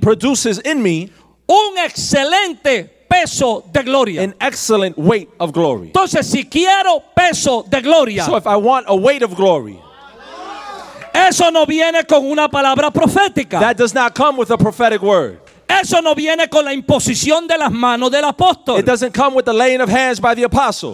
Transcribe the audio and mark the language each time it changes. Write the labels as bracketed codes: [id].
[en] produces in me [es] un excelente peso de gloria. [en] An excellent weight of glory. [es] Entonces, si quiero peso de gloria, [en] so if I want a weight of glory, [es] eso no viene con una palabra profética. [en] That does not come with a prophetic word. [es] Eso no viene con la imposición de las manos del apóstol. [en] It doesn't come with the laying of hands by the apostle.